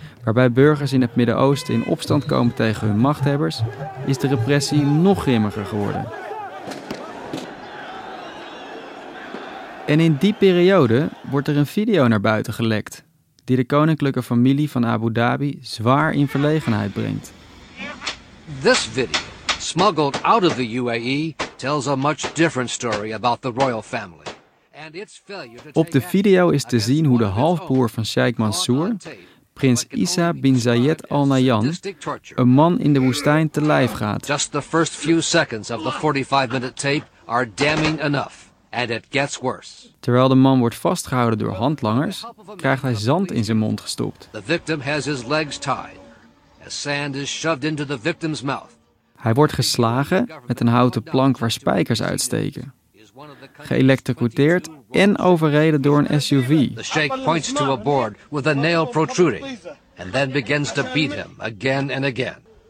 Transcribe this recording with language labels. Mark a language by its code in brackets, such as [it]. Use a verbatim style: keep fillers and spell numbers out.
[nl] waarbij burgers in het Midden-Oosten in opstand komen tegen hun machthebbers, is de repressie nog grimmiger geworden. En in die periode wordt er een video naar buiten gelekt, die de koninklijke familie van Abu Dhabi zwaar in verlegenheid brengt. [en] This video, smuggled out of the U A E, tells a much different story about the royal family. [nl] Op de video is te zien hoe de halfbroer van Sheikh Mansour, prins Isa bin Zayed Al Nahyan, een man in de woestijn te lijf gaat. [en] Just the first few seconds of the forty-five minute tape are damning enough, and it gets worse. [nl] Terwijl de man wordt vastgehouden door handlangers, krijgt hij zand in zijn mond gestopt. [en] The victim has his legs tied. As sand is shoved into the victim's mouth. [nl] Hij wordt geslagen met een houten plank waar spijkers uitsteken. Geëlektrocuteerd en overreden door een S U V. [en] The sheikh points to a board with a nail protruding and then begins to beat him again and again.